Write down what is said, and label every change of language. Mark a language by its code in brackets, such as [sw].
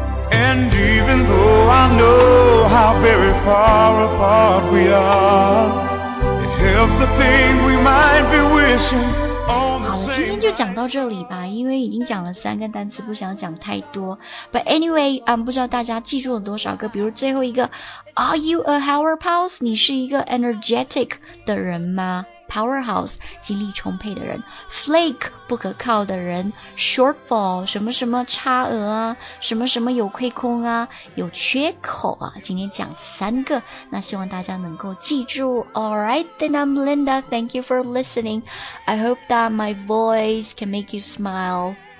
[en] And even though I know how very far apart we are, it helps to think we might be wishing. [zh] 好，今天就讲到这里吧，因为已经讲了三个单词，不想讲太多。 [en] But anyway, [zh] 不知道大家记住了多少个，比如最后一个 , [en] Are you a powerhouse? [zh] 你是一个 energetic 的人吗？Powerhouse, 精力充沛的人。 Flake, 不可靠的人。Shortfall, 什么什么差额啊，什么什么有亏空啊，有缺口啊。今天讲三个，那希望大家能够记住。 [en] Alright, then I'm Linda. Thank you for listening. I hope that my voice can make you smile.